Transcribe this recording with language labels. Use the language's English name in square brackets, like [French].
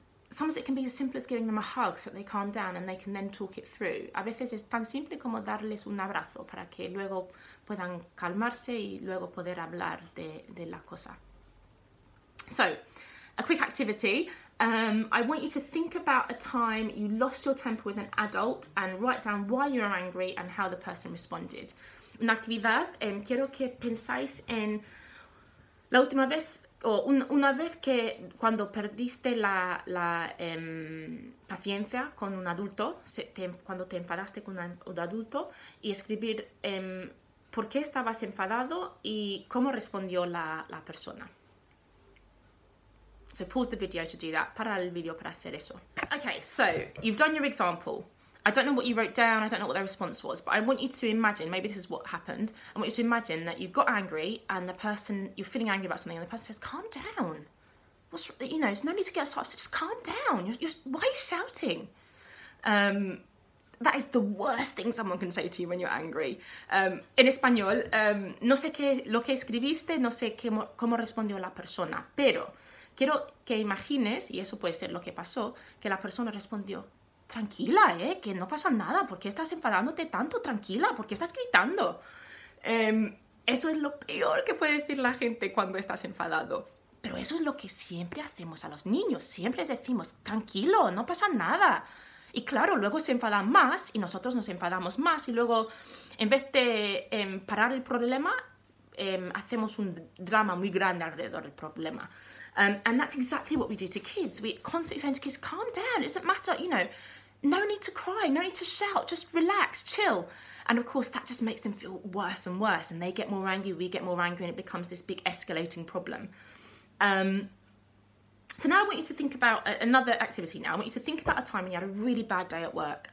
[English] Sometimes it can be as simple as giving them a hug so they calm down and they can then talk it through. [Spanish] A veces es tan simple como darles un abrazo para que luego puedan calmarse y luego poder hablar de la cosa. [English] So, a quick activity. I want you to think about a time you lost your temper with an adult and write down why you were angry and how the person responded. [Spanish] Una actividad, quiero que pensáis en la última vez o una vez que cuando perdiste la paciencia con un adulto, cuando te enfadaste con un adulto, y escribir por qué estabas enfadado y cómo respondió la persona. [English] So pause the video to do that. [Spanish] Para el video para hacer eso. [English] Okay, so you've done your example. I don't know what you wrote down, I don't know what their response was, but I want you to imagine, maybe this is what happened, I want you to imagine that you got angry and the person, you're feeling angry about something and the person says, calm down. What's, you know, there's no need to get so upset, just calm down. Why are you shouting? That is the worst thing someone can say to you when you're angry. [Spanish] En español, no sé qué lo que escribiste, no sé cómo respondió la persona, pero quiero que imagines, y eso puede ser lo que pasó, que la persona respondió, tranquila, que no pasa nada, ¿por qué estás enfadándote tanto? Tranquila, ¿por qué estás gritando? Eso es lo peor que puede decir la gente cuando estás enfadado. Pero eso es lo que siempre hacemos a los niños. Siempre les decimos, tranquilo, no pasa nada. Y claro, luego se enfadan más y nosotros nos enfadamos más. Y luego, en vez de parar el problema, hacemos un drama muy grande alrededor del problema. [English] And that's exactly what we do to kids. We constantly say to kids, calm down, it doesn't matter, you know. No need to cry, no need to shout, just relax, chill. And of course, that just makes them feel worse and worse. And they get more angry, we get more angry, and it becomes this big escalating problem. So now I want you to think about another activity now. I want you to think about a time when you had a really bad day at work.